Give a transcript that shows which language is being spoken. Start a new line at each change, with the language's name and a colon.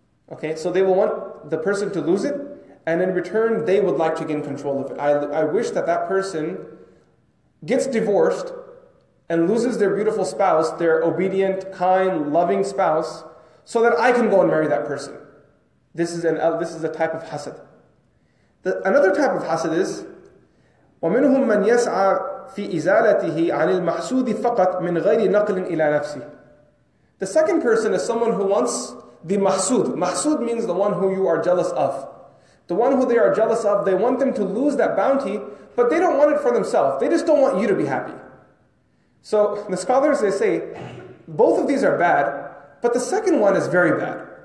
English: Okay, so they will want the person to lose it, and in return, they would like to gain control of it. I wish that that person gets divorced and loses their beautiful spouse, their obedient, kind, loving spouse, so that I can go and marry that person. This is a type of hasad. Another type of hasad is,
Arabic: وَمِنْهُمْ مَنْ يَسْعَى في إزالته عن المحسود فقط من غير نقل إلى نفسه.
English: The second person is someone who wants the mahsud. Mahsud means the one who you are jealous of. The one who they are jealous of, they want them to lose that bounty, but they don't want it for themselves. They just don't want you to be happy. So the scholars, they say, both of these are bad, but the second one is very bad.